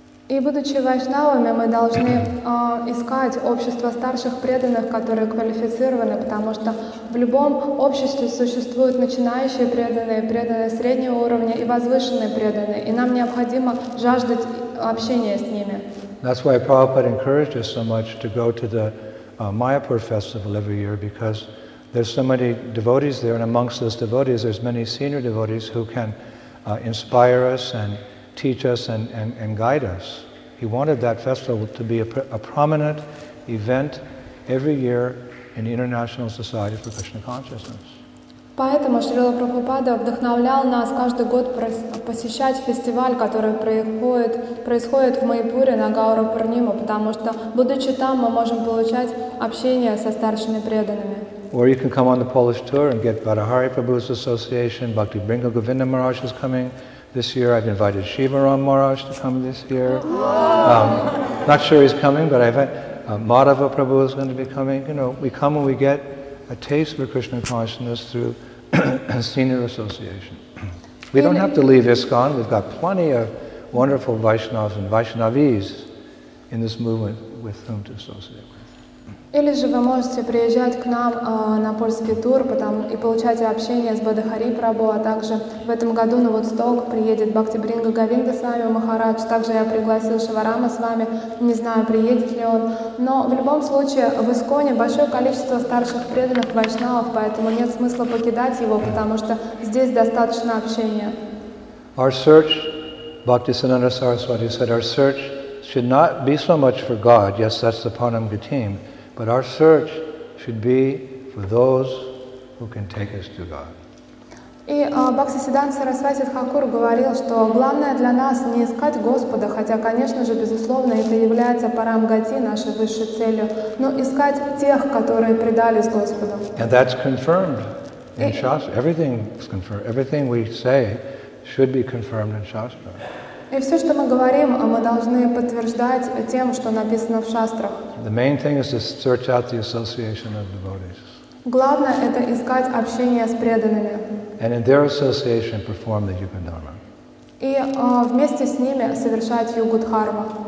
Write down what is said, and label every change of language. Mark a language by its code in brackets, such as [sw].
[ru] И будучи Вайшнавами, мы должны искать общество старших преданных, которые квалифицированы, потому что в любом обществе существуют начинающие преданные, преданные среднего уровня и возвышенные преданные, и нам необходимо жаждать общения с ними. [en] That's why Prabhupada encouraged us so much to go to the Mayapur festival every year, because there's so many devotees there, and amongst those devotees there's many senior devotees who can inspire us and teach us and guide us. He wanted that festival to be a prominent event every year in the International Society for Krishna Consciousness. [ru] Поэтому Шрила Прабхупада вдохновлял нас каждый год посещать фестиваль, который происходит в Майпуре на Гаура Пурниму, потому что, будучи там, мы можем получать общение со старшими преданными. [en] Or you can come on the Polish tour and get Badahari Prabhu's association. Bhakti Bringa Govinda Maharaj is coming. This year I've invited Shivaram Maharaj to come this year. Not sure he's coming, but I've had Madhava Prabhu is going to be coming. You know, we come and we get a taste for Krishna consciousness through senior association. We don't have to leave ISKCON. We've got plenty of wonderful Vaishnavas and Vaishnavis in this movement with whom to associate. [ru] Или же вы можете приезжать к нам на польский тур и получать общение с Бадахари Прабху, а также в этом году на Вудсток приедет Бхакти Бринга Говинда с вами, Махарадж. Также я пригласил Шиварама с вами, не знаю, приедет ли он. Но в любом случае в Исконе большое количество старших преданных вайшнавов, поэтому нет смысла покидать его, потому что здесь достаточно общения. [en] Our search, Bhakti Sananda Saraswati said, our search should not be so much for God, yes, that's the Panam Gatim, but our search should be for those who can take us to God. [ru] И Бхактисиддханта Сарасвати Тхакур говорил, что главное для нас не искать Господа, хотя, конечно же, безусловно, это является парамгати, нашей высшей целью, но искать тех, которые предались Господу. [en] And that's confirmed in Shastra. Everything is confirmed. Everything we say should be confirmed in Shastra. [ru] И все, что мы говорим, мы должны подтверждать тем, что написано в шастрах. [en] The main thing is to search out the association of devotees. [ru] Главное – это искать общение с преданными. [en] And in their association perform the Yuga Dharma. [ru] И вместе с ними совершать Югу Дхарму.